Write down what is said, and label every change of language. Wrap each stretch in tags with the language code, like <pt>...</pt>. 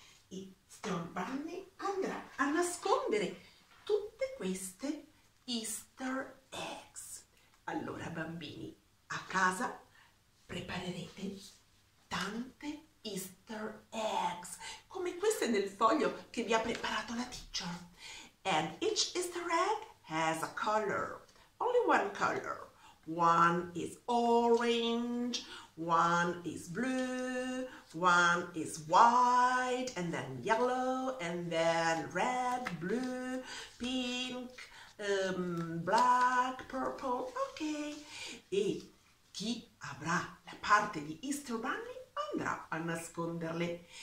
<it>Easter Bunny andrà a nascondere tutte queste Easter eggs. Allora, bambini, a casa preparerete tante Easter eggs, come queste nel foglio che vi ha preparato la teacher.</it> <en>And each Easter egg has a color. Only one color. One is orange, one is blue, one is white, and then yellow, and then red, blue, pink, black, purple. Okay.</en> <it>E chi avrà la parte di Easter Bunny andrà a nasconderle.</it>